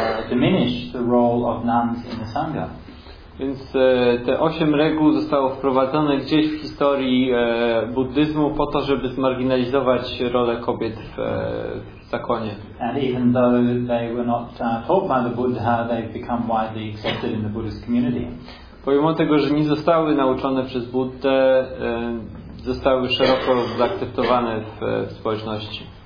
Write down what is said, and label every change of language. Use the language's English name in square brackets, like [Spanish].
[English] diminish the role of nuns in the Sangha. [Polish] Więc te 8 reguł zostało wprowadzone gdzieś w historii buddyzmu po to, żeby zmarginalizować rolę kobiet w zakonie. [English] And even though they were not taught by the Buddha, they've become widely accepted in the Buddhist community. [Polish] Pomimo tego, że nie zostały nauczone przez Buddę, zostały szeroko zaakceptowane w społeczności.